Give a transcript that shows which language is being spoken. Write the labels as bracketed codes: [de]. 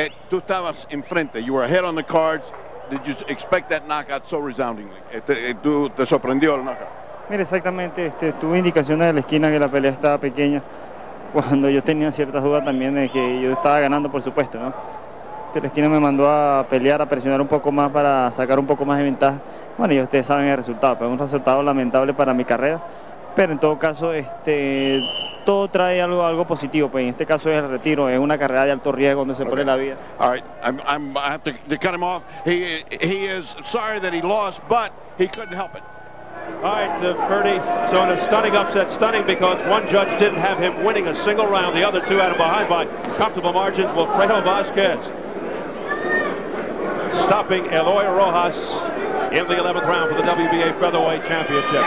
[en] Tú estabas enfrente, you were ahead on the cards. Did you expect that knockout so resoundingly? ¿Te sorprendió el knockout? [es] Mira, exactamente, tuve indicaciones de la esquina que la pelea estaba pequeña. Cuando yo tenía ciertas dudas también de que yo estaba ganando, por supuesto, ¿no? La esquina me mandó a pelear, a presionar un poco más para sacar un poco más de ventaja. Bueno, y ustedes saben el resultado, pero es un resultado lamentable para mi carrera. Pero en todo caso, todo trae algo positivo. Pues en este caso es el retiro, es una carrera de alto riesgo donde se pone la vida. [en] All right, I have to cut him off. He is sorry that he lost, but he couldn't help it. All right, Purdy. So in a stunning upset, stunning because one judge didn't have him winning a single round. The other two had him behind by comfortable margins. Wilfredo Vasquez stopping Eloy Rojas in the 11th round for the WBA featherweight championship.